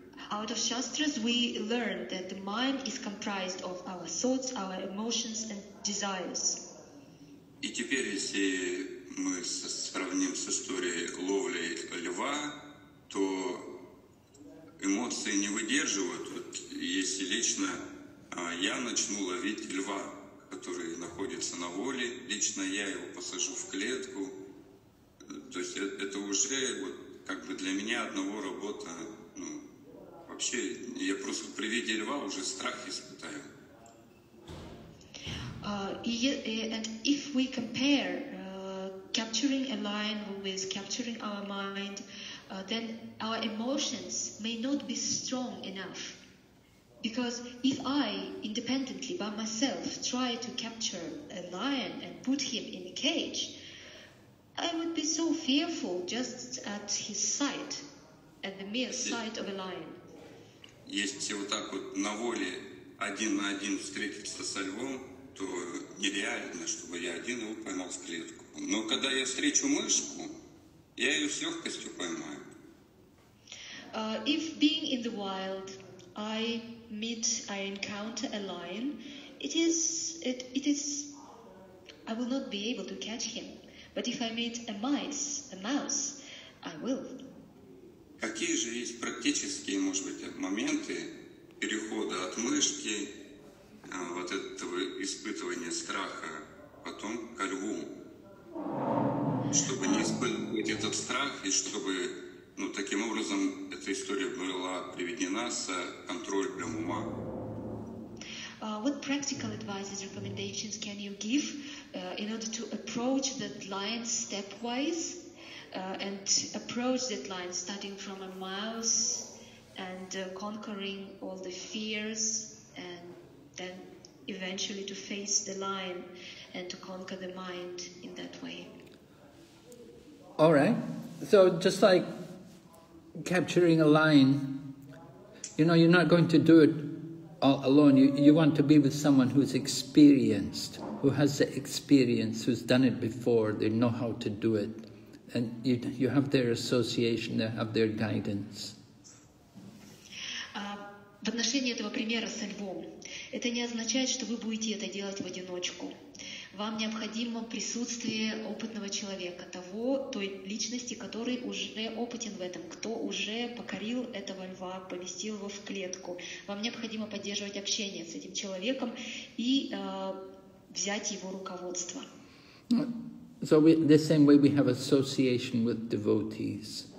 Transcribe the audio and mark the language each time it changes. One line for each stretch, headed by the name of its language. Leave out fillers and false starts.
English: Out of shastras, we learn that the mind is comprised of our thoughts, our emotions, and desires.
Russian: И теперь, если мы сравним с историей ловли льва, то эмоции не выдерживают. Вот если лично я начну ловить льва, который находится на воле, лично я его посажу в клетку, то есть это уже вот как бы для меня одного работа. Ну, вообще, я просто при виде льва уже страх испытаю.
English: And if we compare capturing a lion with capturing our mind, then our emotions may not be strong enough. Because if I, independently by myself, try to capture a lion and put him in a cage, I would be so fearful just at his sight, at the mere sight of a lion.
Russian: Если вот так вот на воле один на один встретиться со львом, то нереально, чтобы я один его поймал в клетку. Но когда я встречу мышку, я ее с легкостью поймаю.
English: If being in the wild, I encounter a lion, it is I will not be able to catch him. But if I meet a mouse, I will.
Ukrainian: Які ж є практичні, може бути, моменти переходу від мишки, от цього іспитування страху, потім до льву? Щоб не іспитувати цей страх і щоб, ну,
Russian: таким образом
Ukrainian: ця історія була приведена з контролем ума.
English: What practical advices, recommendations can you give in order to approach that line stepwise and approach that line starting from a mouse and conquering all the fears and then eventually to face the line and to conquer the mind in that way? All right. So just like capturing a line, you know, you're not going to do it all alone. You want to be with someone who's experienced, who has the experience, who's done it before, they know how to do it. And you have their association, they have their guidance.
Russian: В отношении этого примера со львом, это не означает, что вы будете это делать в одиночку. Вам необходимо присутствие опытного человека, той личности, который уже опытен в этом, кто уже покорил этого льва, поместил его в клетку. Вам необходимо поддерживать общение с этим человеком и взять его руководство.
English: So the same way we have association with devotees.